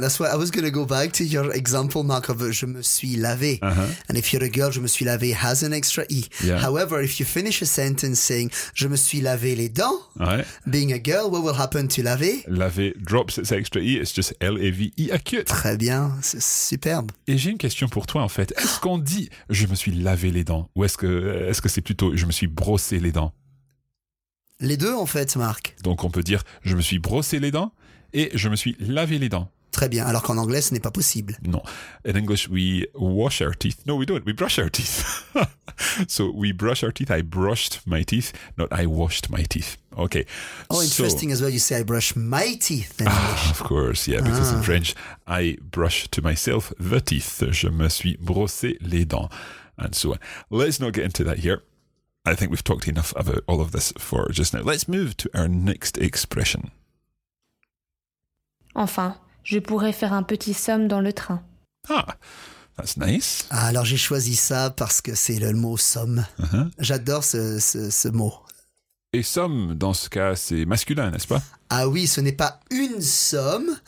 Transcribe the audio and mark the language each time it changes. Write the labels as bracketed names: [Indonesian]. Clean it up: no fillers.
[English] That's why I was going to go back to your example, Marc, of [French] je me suis lavé. Uh-huh. [English] And if you're a girl, [French] je me suis lavé [English] has an extra E. Yeah. However, if you finish a sentence saying [French] je me suis lavé les dents, ouais. [English] Being a girl, what will happen to lavé? Lavé drops its extra E. It's just L-A-V-E acute. [French] Très bien. C'est superbe. Et j'ai une question pour toi, en fait. Est-ce qu'on dit je me suis lavé les dents ou est-ce que c'est plutôt je me suis brossé les dents? Les deux, en fait, Marc. Donc, on peut dire « je me suis brossé les dents » et « je me suis lavé les dents ». Très bien, alors qu'en anglais, ce n'est pas possible. Non. [English] In English, we wash our teeth. No, we don't. We brush our teeth. So, we brush our teeth. I brushed my teeth, not I washed my teeth. Okay. Oh, interesting so, as well. You say I brush my teeth in English. Of course, yeah, because in French, I brush to myself the teeth. [French] Je me suis brossé les dents. [English] And so on. Let's not get into that here. I think we've talked enough about all of this for just now. Let's move to our next expression. [French] Enfin, je pourrais faire un petit somme dans le train. [English] Ah, that's nice. [French] Alors j'ai choisi ça parce que c'est le mot somme. Uh-huh. J'adore ce mot. Et somme, dans ce cas, c'est masculin, n'est-ce pas? Ah oui, ce n'est pas une somme.